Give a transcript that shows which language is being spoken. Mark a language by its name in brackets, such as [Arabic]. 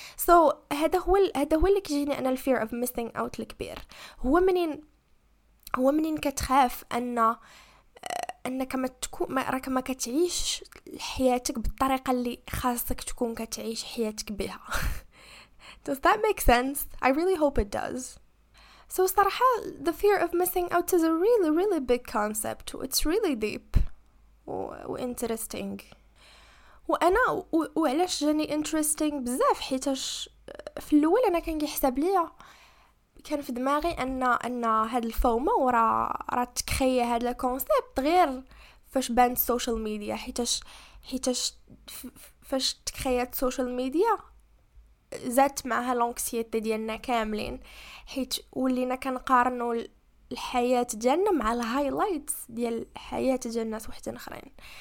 [Arabic] So هذا هو اللي كيجيني انا الفير اوف ميسينغ اوت الكبير, هو منين كتخاف انك ما تكون راك ما كتعيش حياتك بالطريقه اللي خاصك تكون كتعيش حياتك بها. [English] Does that make sense? I really hope it does. So [Arabic] الصراحه [English] the fear of missing out is a really really big concept, it's really deep و interesting. [Arabic] وانا وعلاش جاني [English] interesting [Arabic] بزاف, حيتاش في الاول انا كان كيحسب ليا كان في دماغي ان هاد الفومو راه تكخيه هاد الكونسيبت غير فاش بانت سوشيال ميديا حيتاش فاش تخيات سوشيال ميديا زادت معها لونكسيتي ديالنا كاملين، حيت ولينا كنقارنوا الحياه ديالنا مع الهايلايتس ديال الحياه ديال الناس وحدين اخرين.